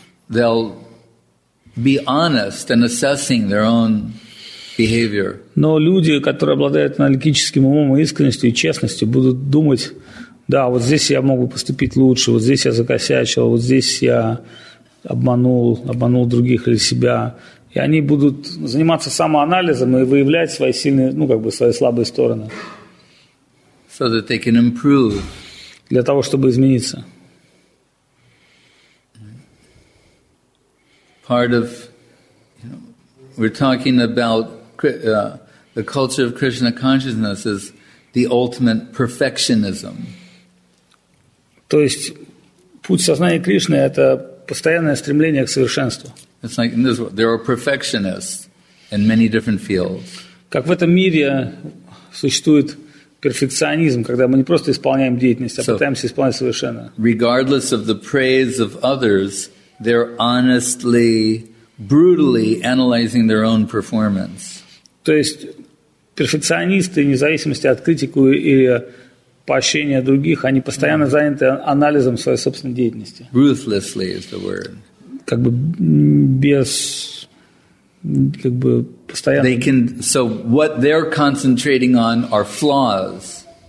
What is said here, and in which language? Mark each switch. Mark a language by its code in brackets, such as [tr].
[en] They'll be honest in assessing their own behavior. [ru] Но люди, которые обладают аналитическим умом, искренностью и честностью, будут думать, да, вот здесь я мог бы поступить лучше, вот здесь я закосячил, вот здесь я обманул других или себя. И они будут заниматься самоанализом и выявлять свои сильные, ну, как бы свои слабые стороны. [en] So that they can improve. [ru] Для того, чтобы измениться. [en] Part of, you know, we're talking about the culture of Krishna consciousness is the ultimate perfectionism. [ru] То есть путь сознания Кришны – это постоянное стремление к совершенству. [en] It's like in this world, there are perfectionists in many different fields. [ru] Как в этом мире существует перфекционизм, когда мы не просто исполняем деятельность, а пытаемся исполнять совершенно. [en] Regardless of the praise of others, they're honestly, brutally analyzing their own performance. [ru] То есть перфекционисты, вне зависимости от критики или поощрения других, они постоянно заняты анализом своей собственной деятельности. [en] Ruthlessly is the word. [ru] Как бы без, как бы постоянно. [en] They can, so what they're concentrating on are flaws.